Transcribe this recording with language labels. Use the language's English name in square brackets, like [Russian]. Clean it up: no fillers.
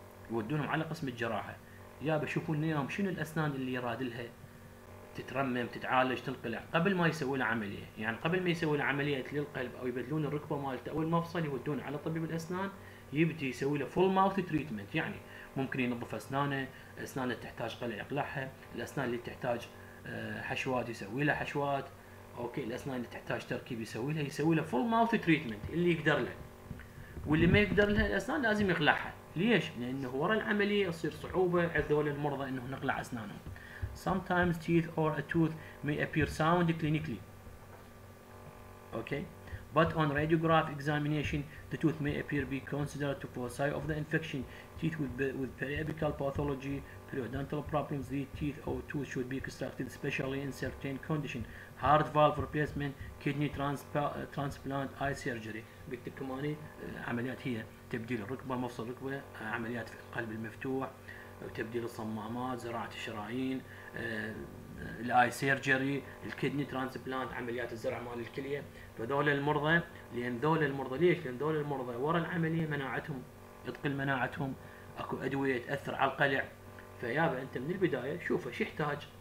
[Arabic] يودونهم على قسم الجراحة، يا بشوفون نيام شنو الأسنان اللي يراد لها تترمم تتعالج تنقلع قبل ما يسوي له عملية، يعني قبل ما يسوي له عملية للقلب أو يبدلون الركبة مالته أو المفصل يودون على طبيب الأسنان يبدي يسوي له فول ماوث تريتمنت، يعني ممكن ينظف أسنانه، الأسنان اللي تحتاج قلع يقلعها، الأسنان اللي تحتاج حشوات يسوي لها حشوات، اوكي الاسنان اللي تحتاج تركيب يسوي لها فول ماوث تريتمنت اللي يقدر له، واللي ما يقدر لها الاسنان لازم يقلعها. ليش؟ لانه ورا العمليه يصير صعوبه عند ذول المرضى انه نقلع اسنانهم. [English] Sometimes teeth or a tooth may appear sound clinically. [Arabic] اوكي [English] but on radiograph examination the tooth may appear be considered to foci of the infection. Teeth with periapical pathology, periodontal problems, these teeth or tooth should be extracted especially in certain conditions. Heart valve replacement, kidney transplant, eye surgery. [Arabic] بالتكماني عمليات هي تبديل الركبة مفصل الركبة، عمليات في القلب المفتوح، تبديل الصمامات، زراعة الشرايين، الاي سيرجري، الكيدني ترانسبلانت، عمليات الزرع مال الكلية. فذول المرضى لأن ذول المرضى ليش؟ لأن ذول المرضى ورا العملية مناعتهم تقل، مناعتهم أكو أدوية تأثر على القلع، فيابا أنت من البداية شوفه شو يحتاج،